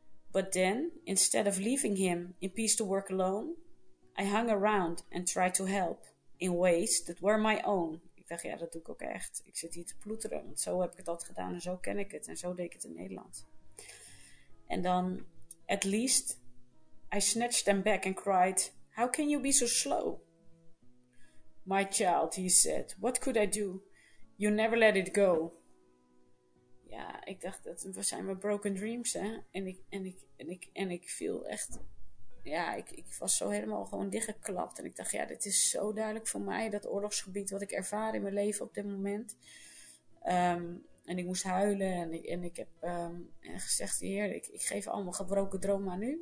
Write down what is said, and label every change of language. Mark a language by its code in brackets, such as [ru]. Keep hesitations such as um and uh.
[en] But then, instead of leaving him in peace to work alone, I hung around and tried to help in ways that were my own. [nl] Ik dacht, ja, dat doe ik ook echt. Ik zit hier te ploeteren, want zo heb ik het altijd gedaan en zo ken ik het en zo deed ik het in Nederland. En dan, [en] at least, I snatched them back and cried, How can you be so slow? My child, he said, what could I do? You never let it go. [nl] Ja, ik dacht, dat zijn mijn [en] broken dreams, [nl] hè. En ik, en ik, en ik, en ik viel echt... Ja, ik, ik was zo helemaal gewoon dichtgeklapt. En ik dacht, ja, dit is zo duidelijk voor mij, dat oorlogsgebied wat ik ervaar in mijn leven op dit moment. Ehm, en ik moest huilen en ik, en ik heb ehm, en gezegd, heer, ik, ik geef al mijn gebroken dromen aan u.